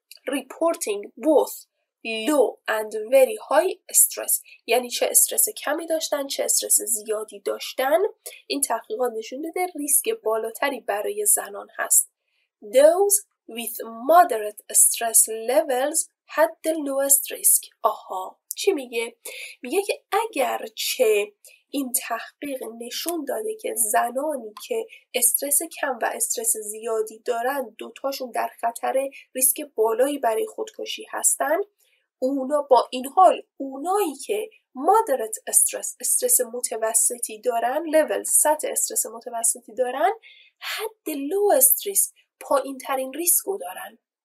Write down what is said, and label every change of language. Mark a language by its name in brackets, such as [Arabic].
[English] reporting both low and very high stress، [Persian] یعنی چه استرس کمی داشتن چه استرس زیادی داشتن. این تحقیقات نشون داده ریسک بالاتری برای زنان هست. [English] those with moderate stress levels had the lowest risk. [Persian] آها چی میگه؟ میگه که اگر چه این تحقیق نشون داده که زنانی که استرس کم و استرس زیادی دارن دوتاشون در خطر ریسک بالایی برای خودکشی هستن، اونا با این حال اونایی که [English] moderate stress، [Persian] استرس متوسطی دارن، level، سطح استرس متوسطی دارن، حد [English] lowest risk، [Persian] پایین ترین ریسکو دارن.